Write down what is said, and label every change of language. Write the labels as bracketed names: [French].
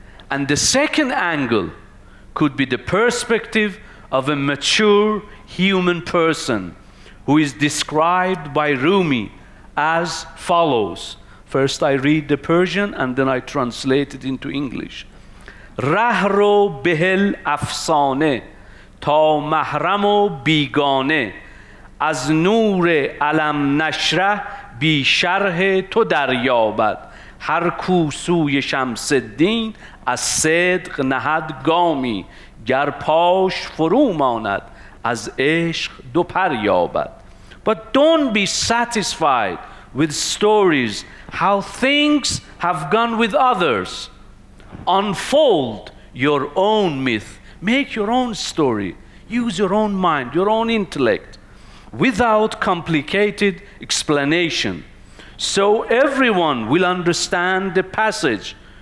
[English] And the second angle could be the perspective of a mature human person who is described by Rumi as follows. First I read the Persian and then I translate it into English. [Persian] Rahro behel afsane ta mahramo bigane از نور علم نشره بی شرح تو دریابد هر کو سوی شمس الدین از صدق نهد گامی گر پاش فرو ماند از عشق دو پر یابد. [English] But don't be satisfied with stories how things have gone with others. Unfold your own myth. Make your own story. Use your own mind, your own intellect, without complicated explanation, so everyone will understand the passage.